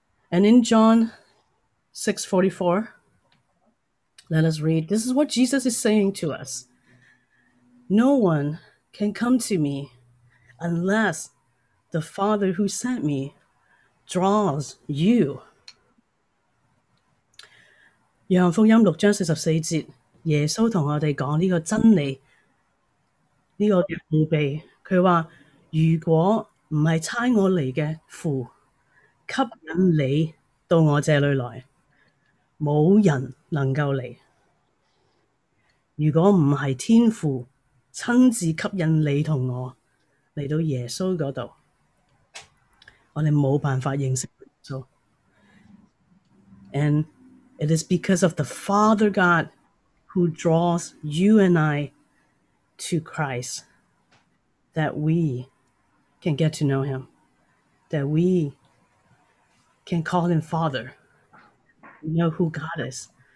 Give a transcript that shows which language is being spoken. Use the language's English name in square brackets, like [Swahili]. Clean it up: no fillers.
[English] And in John 6:44, let us read. This is what Jesus is saying to us. No one can come to me unless the Father who sent me draws you. [Cantonese] 約翰福音6章44節，耶稣同我哋讲呢个真理，呢、这个奥秘。佢话：如果唔系差我嚟嘅父吸引你到我这里来，冇人能够嚟。如果唔系天父亲自吸引你同我嚟到耶稣嗰度，我哋冇办法认识耶稣。 [English] And it is because of the Father God who draws you and I to Christ that we can get to know him, that we can call him Father, we know who God is.